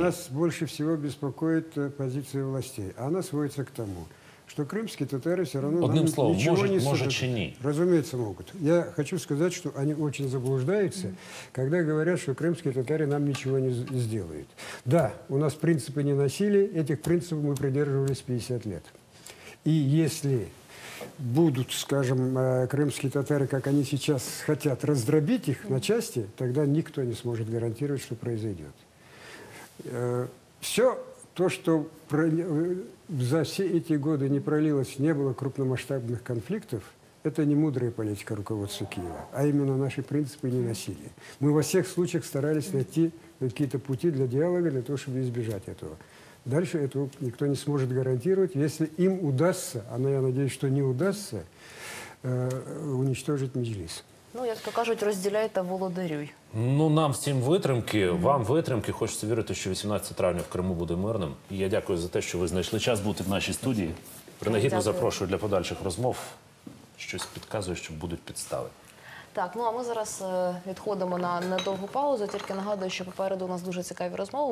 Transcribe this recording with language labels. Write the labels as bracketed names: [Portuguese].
[Ukrainian] Нас більше всього безпокоїть позиція властей. А вона сводиться к тому, що кримські татари все одно... Одним словом, може чи ні? Розуміється, можуть. Я хочу сказати, що вони дуже заблуждаються, коли говорять, що кримські татари нам нічого не зроблять. [Russian] Да, у нас принципи не носили, цих принципів ми придерживались 50 років. І якщо будут, скажем, крымские татары, как они сейчас хотят, раздробить их на части, тогда никто не сможет гарантировать, что произойдет. Все то, что за все эти годы не пролилось, не было крупномасштабных конфликтов, это не мудрая политика руководства Киева, а именно наши принципы не насилия. Мы во всех случаях старались найти какие-то пути для диалога, для того, чтобы избежать этого. Дальше этого никто не сможет гарантировать, если им удастся, а я надеюсь, что не удастся, уничтожить Меджліс. [Ukrainian] Ну, як то кажуть, розділяй та володарюй. Ну, нам всім витримки, вам витримки. Хочеться вірити, що 18 травня в Криму буде мирним. І я дякую за те, що ви знайшли час бути в нашій студії. Принагідно дякую. Запрошую для подальших розмов. Щось підказує, що будуть підстави. Так, ну а ми зараз відходимо на недовгу паузу. Тільки нагадую, що попереду у нас дуже цікаві розмови.